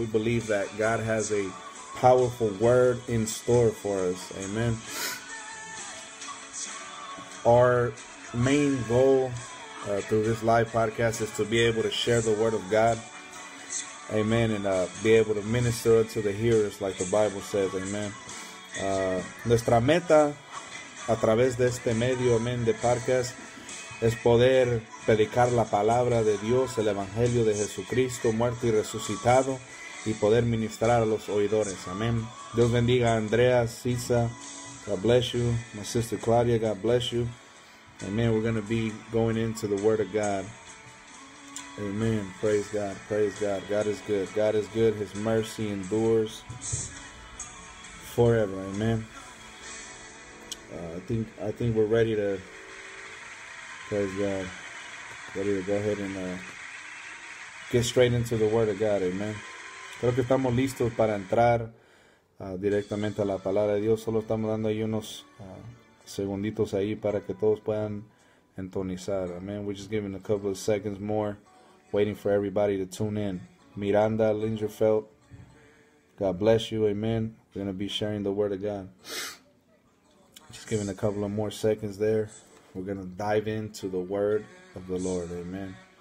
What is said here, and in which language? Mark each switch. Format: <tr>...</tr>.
<en>We believe that God has a powerful Word in store for us, amen. Our main goal through this live podcast is to be able to share the Word of God. Amen, and be able to minister to the hearers like the Bible says, amen.</en> <es>Nuestra meta a través de este medio, amen, de podcast, es poder predicar la palabra de Dios, el evangelio de Jesucristo, muerto y resucitado, y poder ministrar a los oidores, amen. Dios bendiga a</es> <en>Andrea, Cisa, God bless you, my sister Claudia, God bless you. Amen, we're going to be going into the Word of God. Amen. Praise God. Praise God. God is good. God is good. His mercy endures forever. Amen. I think we're ready to, praise God, ready to go ahead and get straight into the Word of God. Amen.</en> <es>Creo que estamos listos para entrar directamente a la Palabra de Dios. Solo estamos dando ahí unos segunditos ahí para que todos puedan entonizar. Amen.</es> <en>We're just giving a couple of seconds more. Waiting for everybody to tune in. Miranda Lingerfeld, God bless you, amen. We're going to be sharing the Word of God. Just giving a couple of more seconds there. We're going to dive into the Word of the Lord, amen.</en>